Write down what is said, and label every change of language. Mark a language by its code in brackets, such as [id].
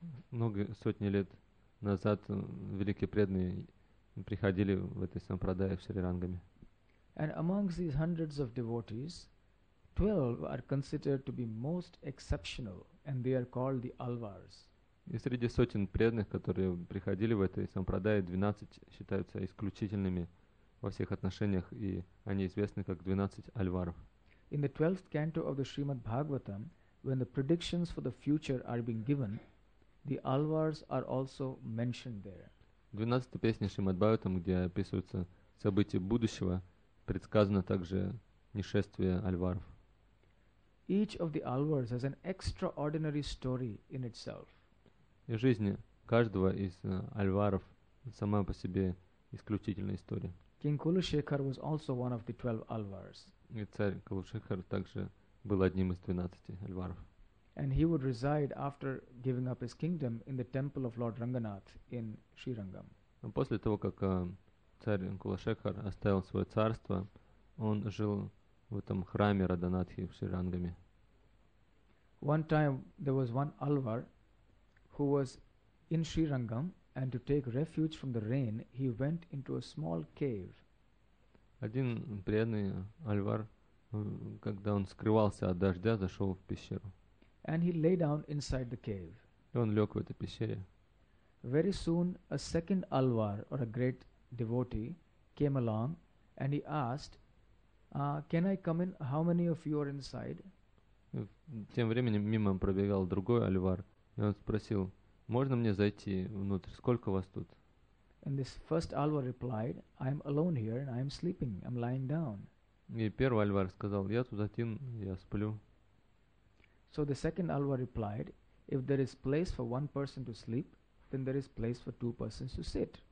[ru] Много сотни лет назад великие преданные приходили в этой Сампрадае в Шри Рангаме. [en] And amongst these hundreds of devotees, 12 are considered to be most exceptional, and they are called the Alvars. [ru] И среди сотен преданных, которые приходили в этой Сампрадае, 12 считаются исключительными во всех отношениях, и они известны как 12 Альваров. [en] In the 12th canto of the Srimad Bhagavatam, when the predictions for the future are being given, the Alvars are also mentioned there. [ru] В 12-й песне Шримад Бхагаватам, где описываются события будущего, предсказано также нешествие Альваров. [en] Each of the Alvars has an extraordinary story in itself. [ru] И жизнь каждого из Альваров сама по себе исключительная история. [en] King Kulashekhar was also one of the 12 Alvars. [ru] И царь Кулашекхар также был одним из 12 Альваров. [en] And he would reside after giving up his kingdom in the temple of Lord Ranganath in Sri Rangam. [ru] После того, как царь Кулашекхар оставил свое царство, он жил в этом храме Раданатхи в Шри Рангаме. [en] One time there was one Alvar who was in Sri Rangam, and to take refuge from the rain, he went into a small cave. [ru] Один преданный Альвар, когда он скрывался от дождя, зашел в пещеру. [en] And he lay down inside the cave. [ru] И он лег в этой пещере. [en] Very soon a second Alvar, or a great devotee, came along, and he asked, can I come in? How many of you are inside? [ru] Тем временем мимо пробегал другой Альвар, и он спросил, можно мне зайти внутрь? Сколько вас тут? [en] And this first Alvar replied, I am alone here and I am sleeping, I'm lying down. [ru] И первый Альвар сказал, я тут один, я сплю. [en] So the second Alvar replied, if there is place for one person to sleep, then there is place for two persons to sit.